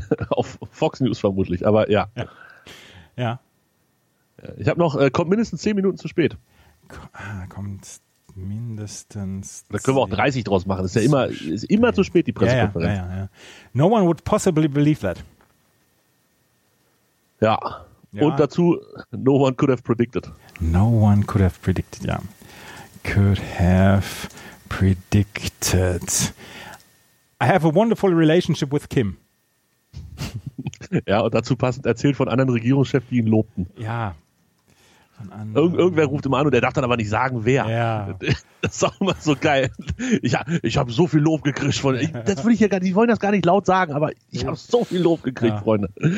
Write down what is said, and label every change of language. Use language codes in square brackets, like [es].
[de] Auf Fox News vermutlich, aber ja. Ja. Ich habe noch, kommt mindestens 10 Minuten zu spät. Kommt. Mindestens. Da können wir auch 30 draus machen. Das ist ja immer, zu spät, die Pressekonferenz. Ja. [en] No one would possibly believe that. [de] Ja. Und dazu, [en] no one could have predicted. No one could have predicted, [de] ja. [en] Could have predicted. I have a wonderful relationship with Kim. [de] Ja, und dazu passend erzählt von anderen Regierungschefs, die ihn lobten. Ja. Irgendwer ruft immer an und der darf dann aber nicht sagen, wer. Ja. Das ist auch immer so geil. Ich habe so viel Lob gekriegt von. Das will ich ja gar nicht, die wollen das gar nicht laut sagen, aber ich habe so viel Lob gekriegt, Freunde.